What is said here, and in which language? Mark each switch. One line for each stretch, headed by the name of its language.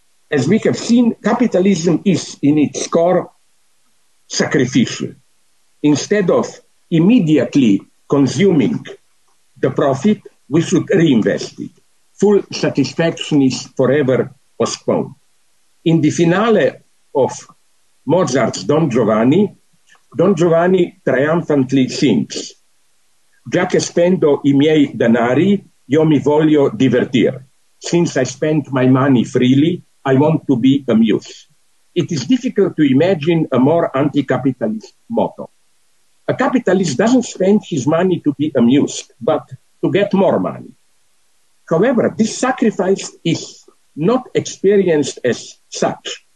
English: As we have seen, capitalism is in its core sacrificial. Instead of immediately consuming the profit, we should reinvest it. Full satisfaction is forever postponed. In the finale of Mozart's Don Giovanni, Don Giovanni triumphantly sings,
Italian: "Già che spendo I miei denari, io mi voglio divertir.
English: Since I spent my money freely, I want to be amused." It is difficult to imagine a more anti-capitalist motto. A capitalist doesn't spend his money to be amused, but to get more money. However, this sacrifice is not experienced as such.